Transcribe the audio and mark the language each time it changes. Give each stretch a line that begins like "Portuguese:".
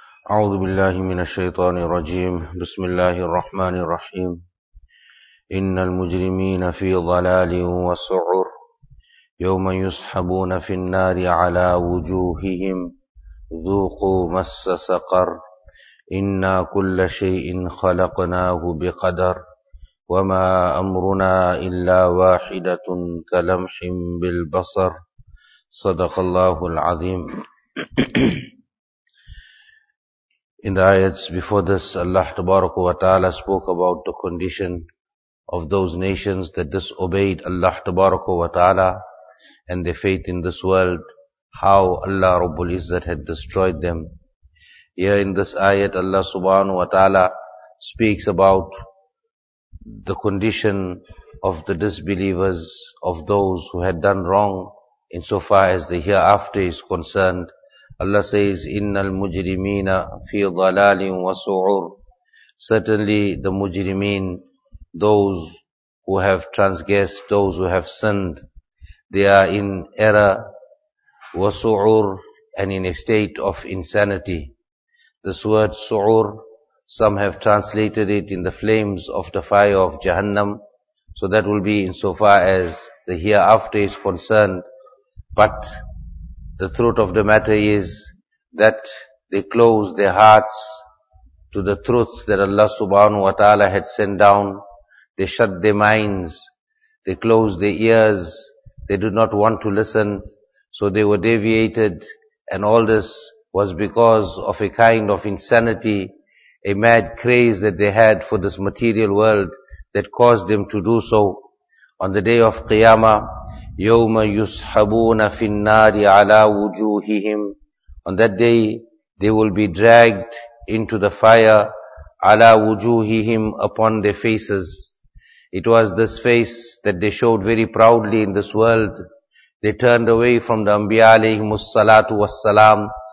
Arabic: أعوذ بالله من الشيطان الرجيم بسم الله الرحمن الرحيم إن المجرمين في ضلال وسعر يوم يسحبون في النار على وجوههم ذوقوا مس سقر إنا كل شيء خلقناه بقدر وما أمرنا إلا واحدة كلمح بالبصر صدق الله العظيم.
English: In the ayats before this, Allah Tabaraka wa Ta'ala spoke about the condition of those nations that disobeyed Allah Tabaraka wa Ta'ala and their faith in this world, how Allah Rabbul Izzat had destroyed them. Here in this ayat, Allah Subhanahu wa Ta'ala speaks about the condition of the disbelievers, of those who had done wrong insofar as the hereafter is concerned. Allah says,
Arabic: إِنَّ الْمُجْرِمِينَ فِي ضَلَالٍ وَسُعُرٍ.
English: Certainly the mujrimeen, those who have transgressed, those who have sinned, they are in error, wasu'ur, and in a state of insanity. This word su'ur, some have translated it in the flames of the fire of Jahannam. So that will be insofar as the hereafter is concerned. But the truth of the matter is that they closed their hearts to the truth that Allah subhanahu wa ta'ala had sent down. They shut their minds. They closed their ears. They did not want to listen. So they were deviated. And all this was because of a kind of insanity, a mad craze that they had for this material world that caused them to do so. On the day of Qiyamah,
Arabic: يَوْمَ يُسْحَبُونَ فِي النَّارِ عَلَىٰ وُجُوهِهِمْ.
English: On that day, they will be dragged into the fire,
Arabic: عَلَىٰ وُجُوهِهِمْ,
English: upon their faces. It was this face that they showed very proudly in this world. They turned away from the Anbiya alayhimu salatu wassalam.